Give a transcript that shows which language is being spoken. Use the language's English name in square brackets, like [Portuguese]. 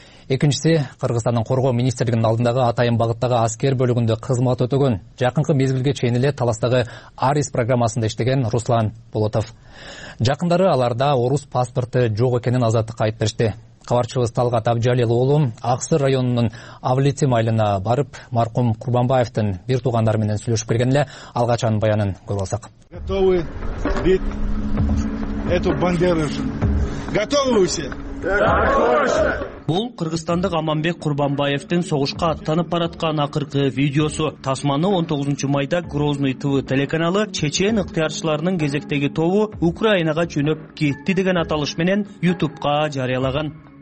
[Kyrgyz] Экинчиси Кыргызстандын коргоо министрлигинин алдындагы атайын багыттагы аскер бөлүгүндө кызмат өтөгөн, жакынкы мезгилге чейин эле Таластагы Арис программасында иштеген Руслан Болотов. Жакындары аларда орус паспорту жок экенин Азаттыкка айтып беришти. Кабарчыбыз Талгат Абжалил уулу Аксы районунун Авлитим айылына барып, маркум Курбанбаевдин бир туугандары менен сүйлөшүп келген эле алгач анын баянын көрүп алсак. [Russian] Готовы бить эту бандеру? Готовы все? [Kyrgyz] Бул кыргызстандык Аманбек Курбанбаевдин согушка аттанып бараткан акыркы видеосу. Тасманы 19 майда Грозный ТВ телеканалы чечен ыктыярчыларынын кезектеги тобу Украинага жөнөп кетти деген аталыш менен YouTube'ка жарыялаган.